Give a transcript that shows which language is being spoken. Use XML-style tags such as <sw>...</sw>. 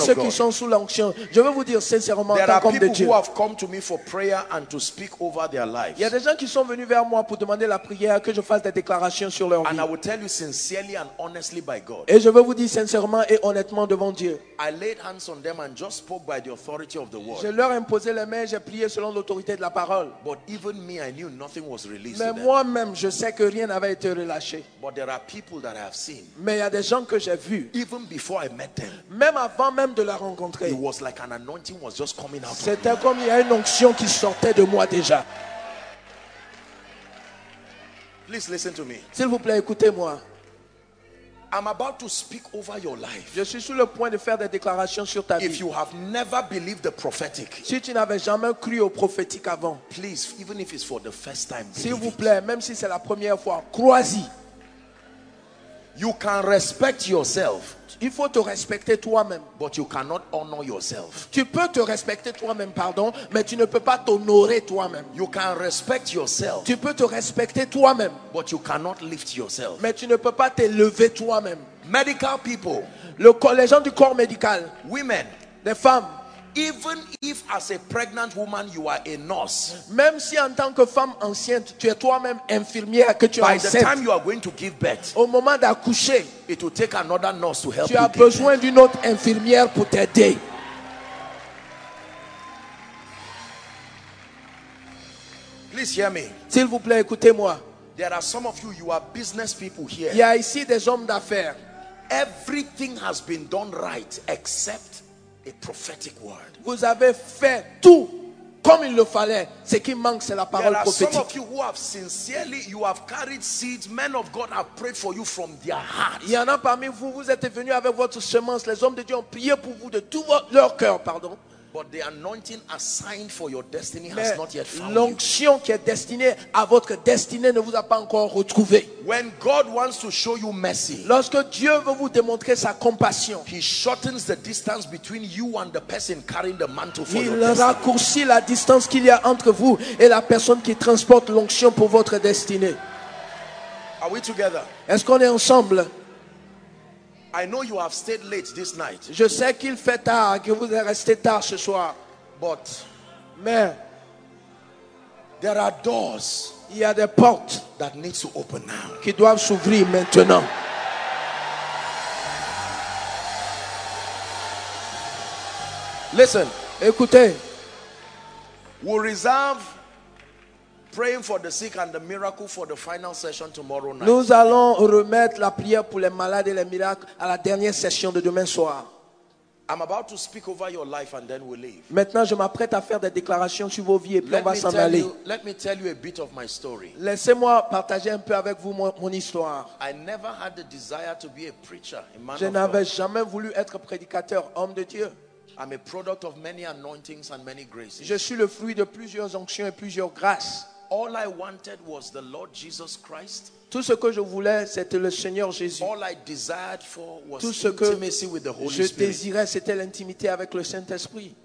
<fr>Aidez ceux qui sont sous l'onction. Je veux vous dire sincèrement,</fr> <en>there are people who have come to me for prayer and to speak over their lives.</en> <fr>Il y a des gens qui sont venus vers moi pour demander la prière que je fasse des déclarations sur leur vie.</fr> <en>And I will tell you sincerely and honestly by God.</en> <fr>Et je veux vous dire sincèrement et honnêtement devant Dieu.</fr> <en>I laid hands on them and just spoke by the authority of the word.</en> <fr>Je leur ai imposé les mains, j'ai prié selon l'autorité de la parole.</fr> <en>But even me, I knew nothing was released.</en> <fr>Mais moi-même je sais que rien n'avait été relâché.</fr> <en>But there are people that I have seen.</en> <fr>Mais il y a des gens que j'ai vus.</fr> <en>Even before I met them.</en> <fr>Même avant même de la rencontrer.</fr> <en>It was like an anointing was just coming out.</en> <fr>C'était comme il y a une onction qui sortait de moi déjà.</fr> <en>Please listen to me.</en> <fr>S'il vous plaît, écoutez-moi.</fr> <en>I'm about to speak over your life.</en> <fr>Je suis sur le point de faire des déclarations sur ta vie.</fr> <en>If you have never believed the prophetic,</en> <fr>si tu n'avais jamais cru au prophétique avant,</fr> <en>please, even if it's for the first time,</en> <fr>s'il vous plaît, même si c'est la première fois, crois-y.</fr> <en>You can respect yourself.</en> <fr>Il faut te respecter toi-même.</fr> <en>But you cannot honor yourself.</en> <fr>Tu peux te respecter toi-même, pardon, mais tu ne peux pas t'honorer toi-même.</fr> <en>You can respect yourself.</en> <fr>Tu peux te respecter toi-même.</fr> <en>But you cannot lift yourself.</en> <fr>Mais tu ne peux pas t'élever toi-même.</fr> <en>Medical people.</en> <fr>Les gens du corps médical.</fr> <en>Women.</en> <fr>Les femmes.</fr> <en>Even if as a pregnant woman you are a nurse,</en> <fr>même si en tant que femme enceinte tu es toi-même infirmière que tu</fr> <en>by the time you are going to give birth,</en> <fr>au moment d'accoucher,</fr> <en>it will take another nurse to help you.</en> <fr>Tu as besoin d'une autre infirmière pour t'aider.</fr> <en>Please hear me.</en> <fr>S'il vous plaît, écoutez-moi.</fr> <en>There are some of you are business people here.</en> <fr>Il y a ici des hommes d'affaires.</fr> <en>Everything has been done right except a prophetic word.</en> <fr>Vous avez fait tout comme il le fallait. Ce qui manque, c'est la parole prophétique.</fr> <en>There are some of you who have sincerely, you have carried seeds. Men of God have prayed for you from their heart.</en> <fr>Il y en a parmi vous, vous êtes venus avec votre semence. Les hommes de Dieu ont prié pour vous de tout leur cœur, pardon.</fr> <en>But the anointing assigned for your destiny has not yet found you.</en> <fr>L'onction qui est destinée à votre destinée ne vous a pas encore retrouvé.</fr> <en>When God wants to show you mercy,</en> <fr>lorsque Dieu veut vous démontrer sa compassion,</fr> <en>he shortens the distance between you and the person carrying the mantle for your destiny.</en> <fr>Il raccourcit la distance qu'il y a entre vous et la personne qui transporte l'onction pour votre destinée.</fr> <en>Are we together?</en> <fr>Est-ce qu'on est ensemble?</fr> <en>I know you have stayed late this night.</en> <fr>Je sais qu'il fait tard, que vous êtes resté tard ce soir.</fr> <en>But man, there are doors.</en> <fr>Il y a des portes</fr> <en>that need to open now.</en> <fr>Qui doivent s'ouvrir maintenant.</fr> <en>Listen,</en> <fr>écoutez.</fr> <en>We reserve praying for the sick and the miracle for the final session tomorrow night.</en> <fr>Nous allons remettre la prière pour les malades et les miracles à la dernière session de demain soir.</fr> <en>I'm about to speak over your life and then we'll leave.</en> <fr>Maintenant, je m'apprête à faire des déclarations sur vos vies et puis on va s'en aller.</fr> <en>Let me tell you a bit of my story.</en> <fr>Laissez-moi partager un peu avec vous mon histoire.</fr> <en>I never had the desire to be a preacher, a man of God.</en> <fr>Je n'avais jamais voulu être prédicateur, homme de Dieu.</fr> <en>I'm a product of many anointings and many graces.</en> <fr>Je suis le fruit de plusieurs onctions et plusieurs grâces.</fr> <en>All I wanted was the Lord Jesus Christ.</en> <fr>Tout ce que je voulais, c'était le Seigneur Jésus.</fr> <en>All I desired for was</en> <fr>tout ce que</fr> <en>intimacy with the Holy</en> <fr>je</fr> <en>Spirit.</en> <fr>Désirais, c'était l'intimité avec le Saint-Esprit.</fr>